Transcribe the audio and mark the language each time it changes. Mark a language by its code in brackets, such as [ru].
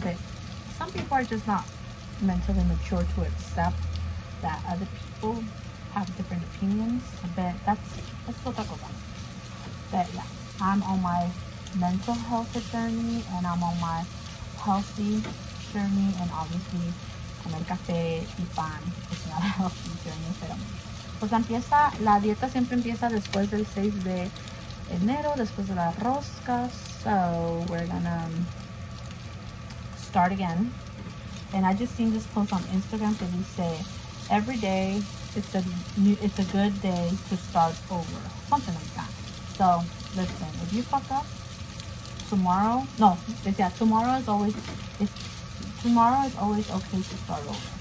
[en] But some people are just not mentally mature to accept that other people have different opinions. But that's what that goes on. But yeah, I'm on my mental health journey and I'm on my healthy journey, and obviously [es] comer café y pan [en] is not a healthy journey. [es] Pero pues empieza, la dieta siempre empieza después del 6 de enero, después de la rosca. [en] So we're gonna start again. And I just seen this post on Instagram that we say every day it's a good day to start over, something like that. So listen, if you fuck up tomorrow, no, yeah, tomorrow is always okay to start over.